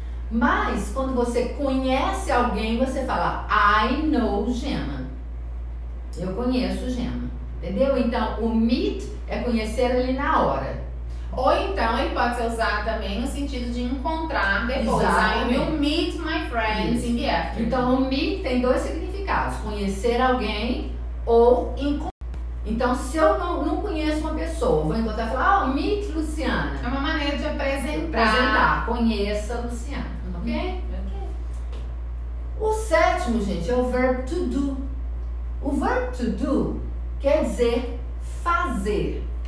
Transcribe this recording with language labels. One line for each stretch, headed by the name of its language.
Portuguese: Mas, quando você conhece alguém, você fala,
English: I know Gema.
Portuguese: Eu conheço Gema. Entendeu? Então, o meet é conhecer ali na hora. Ou então, ele pode ser usado também no sentido de encontrar depois. Exatamente.
English: I will meet my friends in the afternoon.
Portuguese: Então, o meet tem dois significados. Conhecer alguém... ou encontrar. Então, se eu não conheço uma pessoa, vou encontrar e falar, oh, meet Luciana. É uma maneira de apresentar. Conheça a Luciana. Ok? Ok. O sétimo, gente, é o verbo to do. O verbo to do quer dizer fazer.